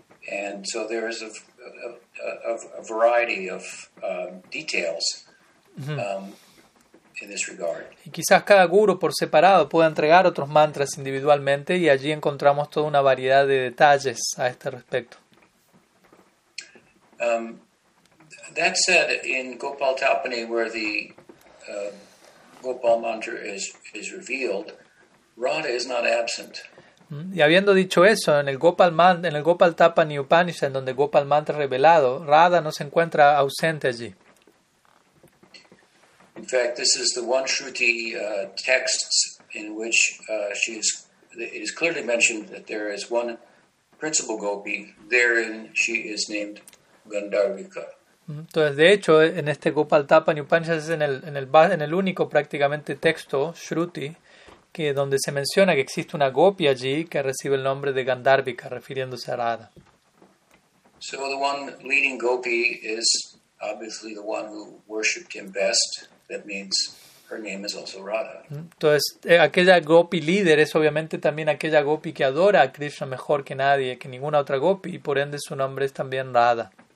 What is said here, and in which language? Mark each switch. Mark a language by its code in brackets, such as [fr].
[en] And so there is a variety of details in this regard. [es] Y quizás cada guru por separado pueda entregar otros mantras individualmente, y allí encontramos toda una variedad de detalles a este respecto. [en] That said, in Gopal Tapani, where the Gopal mantra is revealed, Radha is not absent. [es] Y habiendo dicho eso, en el Gopal Tapani Upanishad, en donde Gopal mantra revelado, Radha no se encuentra ausente allí. [en] In fact, this is the one Shruti text in which it is clearly mentioned that there is one principal gopi, therein she is named Gandharvika. [es] Entonces, de hecho, en este Gopal Tapani Upanishad es en el único prácticamente texto, Shruti, que donde se menciona que existe una gopi allí que recibe el nombre de Gandharvika, refiriéndose a Radha. [en] So the one leading gopi is obviously the one who worshipped him best. That means her name is also Radha. [es] Entonces, aquella gopi líder es obviamente también aquella gopi que adora a Krishna mejor que nadie, que ninguna otra gopi, y por ende su nombre es también Radha.